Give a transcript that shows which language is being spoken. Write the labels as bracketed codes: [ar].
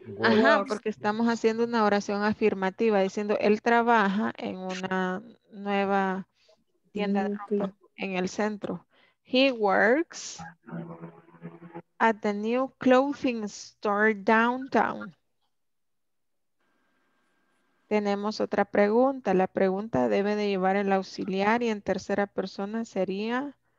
[es] Ajá, porque estamos haciendo una oración afirmativa diciendo él trabaja en una nueva tienda en el centro. [en] He works at the new clothing store downtown. [es] Tenemos otra pregunta. La pregunta debe de llevar el auxiliar y en tercera persona sería